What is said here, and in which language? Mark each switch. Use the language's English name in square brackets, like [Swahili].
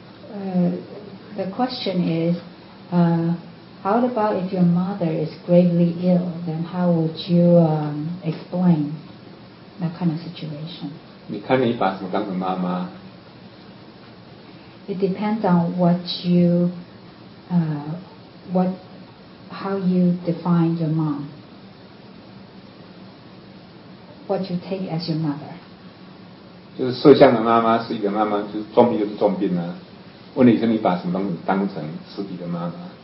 [English] The question is, how about if your mother is gravely ill, then how would you explain that kind of situation? [Chinese] 你看你把什么当成妈妈？ [English] It depends on what you, how you define your mom. What you take as your mother? [Chinese] 就是色相的妈妈是一个妈妈，就是重病就是重病啊。问题是你把什么东西当成实体的妈妈